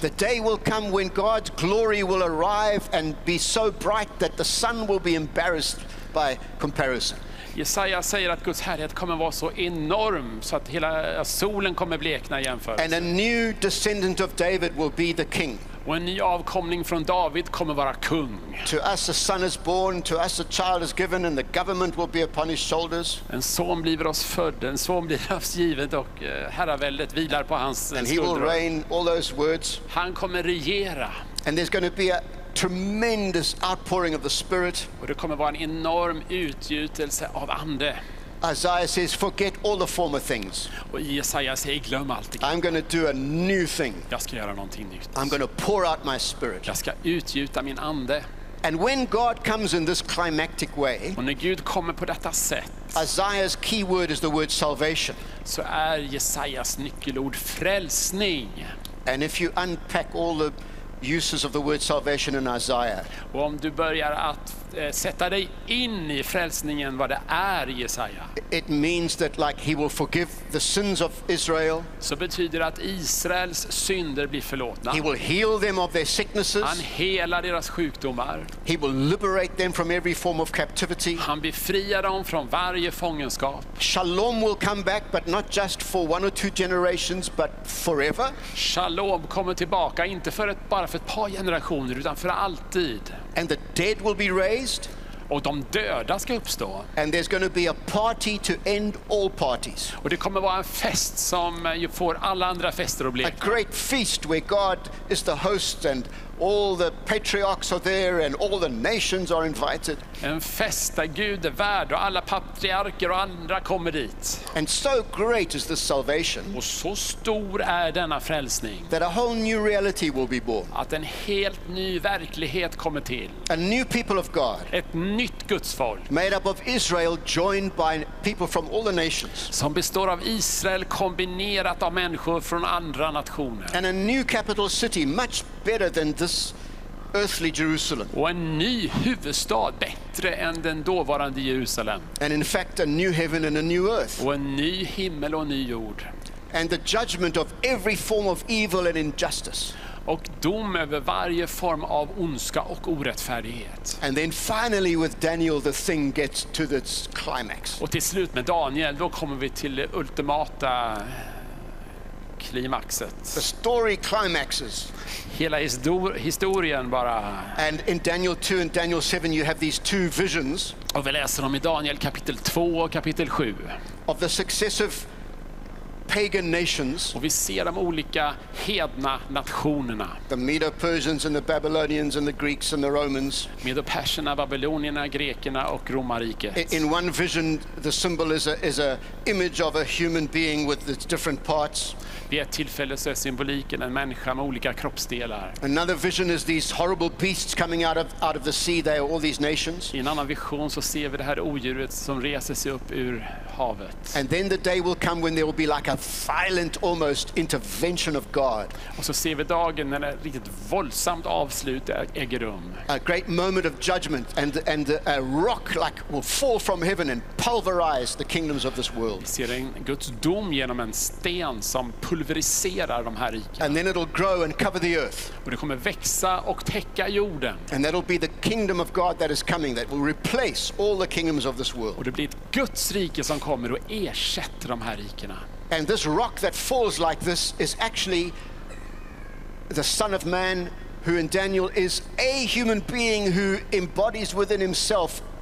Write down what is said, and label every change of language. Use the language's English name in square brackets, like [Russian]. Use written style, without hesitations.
[English] The day will come when God's glory will arrive and be so bright that the sun will be embarrassed by comparison. [Swedish] Jesaja säger att Guds härlighet kommer vara så enorm så att hela solen kommer blekna jämfört. [English] And a new descendant of David will be the king. [Swedish] Och en ny avkomling från David kommer vara kung. [English] To us a son is born, to us a child is given, and the government will be upon his shoulders. [Swedish] En son blir oss född, en son blir oss givet och herraväldet vilar på hans skuldror. [English] And he will reign, all those words. [Swedish] Han kommer regera. [English] And there's going to be a tremendous outpouring of the Spirit. [Swedish] Och det kommer vara en enorm utgjutelse av ande. [English] Isaiah says, "Forget all the former things." [Swedish] Och Jesaja säger, glöm allt. [English] I'm going to do a new thing. [Swedish] Jag ska göra någonting nytt. [English] I'm going to pour out my Spirit. [Swedish] Jag ska utgjuta min ande. [English] And when God comes in this climactic way, [Swedish] och när Gud kommer på detta sätt, [English] Isaiah's key word is the word salvation. [Swedish] Så är Jesajas nyckelord frälsning. [English] And if you unpack all the uses of the word salvation in Isaiah. [Swedish] Och om du börjar att sätta dig in i frälsningen vad det är i Jesaja. [English] It means that like he will forgive the sins of Israel. [Swedish] Så betyder att Israels synder blir förlåtna. [English] He will heal them of their sicknesses. [Swedish] Han helar deras sjukdomar. [English] He will liberate them from every form of captivity. [Swedish] Han befriar dem från varje fångenskap. [English] Shalom will come back, but not just for one or two generations, but forever. [Swedish] Shalom kommer tillbaka inte för ett bara för ett par generationer utan för alltid. [English] And the dead will be raised. [Swedish] Och de döda ska uppstå. [English] And there's going to be a party to end all parties. [Swedish] Och det kommer vara en fest som får alla andra fester att bli. [English] A great feast where God is the host and all the patriarchs are there and all the nations are invited. [Swedish] En fest där Gud är värd och alla patriarker och andra kommer dit. [English] And so great is this salvation. [Swedish] Och så stor är denna frälsning. [English] That a whole new reality will be born. [Swedish] Att en helt ny verklighet kommer till. [English] A new people of God. [Swedish] Ett nytt Guds folk. [English] Made up of Israel joined by people from all the nations. [Swedish] Som består av Israel kombinerat av människor från andra nationer. [English] And a new capital city much better than this earthly Jerusalem. [Swedish] Och en ny huvudstad bättre än den dåvarande Jerusalem. [English] And in fact a new heaven and a new earth. [Swedish] Och en ny himmel och en ny jord. [English] And the judgment of every form of evil and injustice. [Swedish] Och dom över varje form av ondska och orättfärdighet. [English] And then finally with Daniel the thing gets to its climax. [Swedish] Och till slut med Daniel då kommer vi till det ultimata klimaxet. [English] The story climaxes. [Swedish] Hela historien bara. [English] And in Daniel 2 and Daniel 7 you have these two visions. [Swedish] Och vi läser om i Daniel kapitel 2 och kapitel 7. [English] Of the successive pagan nations. [Swedish] Och vi ser de olika hedna nationerna. [English] The Medo-Persians and the Babylonians and the Greeks and the Romans. [Swedish] Medo-Persierna, Babylonierna, grekerna och romarriket. [English] In one vision the symbol is a image of a human being with its different parts. [Swedish] Vid ett tillfälle så är symboliken en människa med olika kroppsdelar. [English] Another vision is these horrible beasts coming out of the sea. They are all these nations. [Swedish] I en annan vision så ser vi det här odjuret som reser sig upp ur havet. [English] And then the day will come when there will be like a violent almost intervention of God. [Swedish] Och så ser vi dagen när ett riktigt våldsamt avslut äger rum. [English] A great moment of judgment and a rock like will fall from heaven and pulverize the kingdoms of this world. [Swedish] Vi ser en Guds dom genom en sten som pulveriserar de här rikena. [English] And then it'll grow and cover the earth. [Swedish] Och det kommer växa och täcka jorden. [English] And that'll be the kingdom of God that is coming that will replace all the kingdoms of this world. [Swedish] Och det blir ett Guds rike som kommer och ersätter de här rikena. [English] And this rock that falls like this is actually the Son of Man, who in Daniel is a human being who embodies within himself